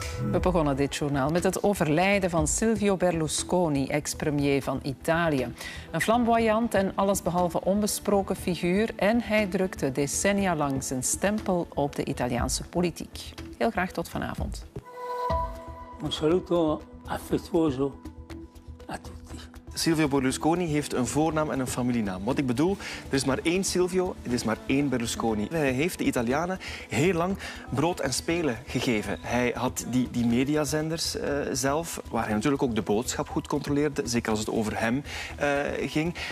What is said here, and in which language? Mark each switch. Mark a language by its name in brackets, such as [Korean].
[Dutch] We begonnen dit journaal met het overlijden van Silvio Berlusconi, ex-premier van Italië. Een flamboyant en allesbehalve onbesproken figuur. En hij drukte decennia lang zijn stempel op de Italiaanse politiek. Heel graag tot vanavond. [Italian] Un saluto affettuoso a tutti. [Dutch] Silvio Berlusconi heeft een voornaam en een familienaam. Wat ik bedoel, er is maar één Silvio, er is maar één Berlusconi. Hij heeft de Italianen heel lang brood en spelen gegeven. Hij had die mediazenders zelf, waar hij natuurlijk ook de boodschap goed controleerde, zeker als het over hem ging.